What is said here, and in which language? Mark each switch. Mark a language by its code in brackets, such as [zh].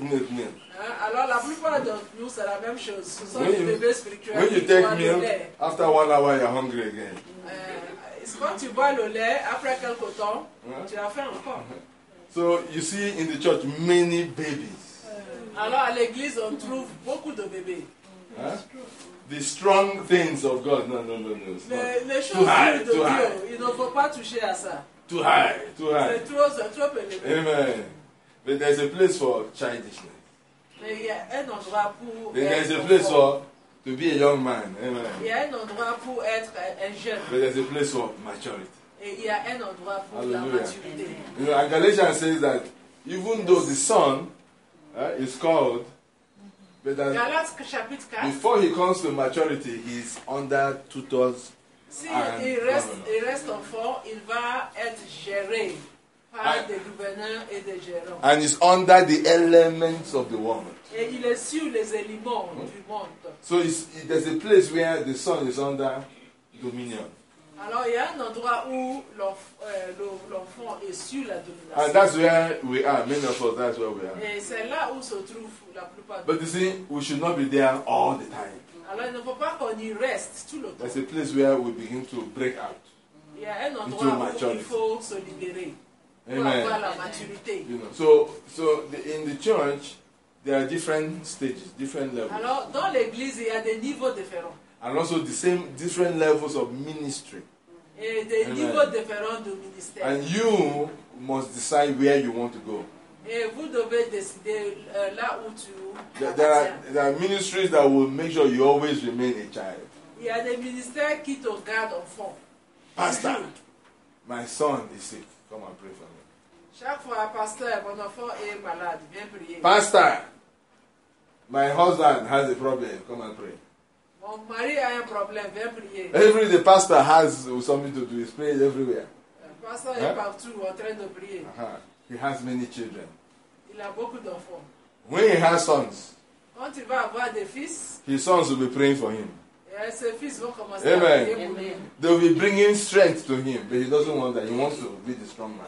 [en] When you take milk, after 1 hour, you're hungry again. [fr] It's quand tu bois le lait, après quelque temps, tu as faim encore. [en] So, you see in the church, many babies. [fr] Alors, à l'église, on trouve beaucoup de bébés. [en] The strong things of God. No. [fr] Les choses [en] too high, too high. [fr] Dieu, il ne faut pas toucher à ça. [en] Too high. [fr] C'est trop élevé. [en] Amen. But there's a place for childishness. Then there's a place for to be a young man. Amen. But there's a place for maturity. Hallelujah. You know, Galatians says that even though the son is called, but that before he comes to maturity, he's under tutors. And he's under the elements of the world. [fr] Et il est sur les éléments du monde. [en] So there's a place where the son is under dominion. [fr] Alors il y a un endroit où l'enfant est sur la domination. [en] And that's where we are. Many of us, that's where we are. [fr] Et c'est là où se trouve la plupart. [en] But you see, we should not be there all the time. [fr] Alors il ne faut pas qu'on y reste tout le temps. [en] There's a place where we begin to break out. [fr] Il y a un endroit où maturity. Il faut se libérer. [en] Amen. [fr] Pour avoir la maturité. [en] You know, so in the church, there are different stages, different levels. [fr] Alors, dans l'église, il y a des niveaux différents. [en] And also the same different levels of ministry. [fr] Et des Amen. Niveaux différents de ministère. [en] And you must decide where you want to go. [fr] Et vous devez décider là où tu. [en] There are ministries that will make sure you always remain a child. [fr] Il y a des ministères qui te gardent enfant. [en] Pastor, my son is sick. Come and pray for me. [fr] Chaque fois, pasteur, mon enfant est malade. Viens prier. [en] Pastor, my husband has a problem. Come and pray. [fr] Mon mari a un problème. Viens prier. [en] Every day, pastor has something to do. He's praying everywhere. [fr] Pasteur est partout en train de prier. [en] He has many children. [fr] Il a beaucoup d'enfants. [en] When he has sons, [fr] quand il va avoir des fils, [en] his sons will be praying for him. [fr] Et ses fils vont commencer Amen. À prier pour lui. [en] They will be bringing strength to him, but he doesn't want that. He wants to be the strong man.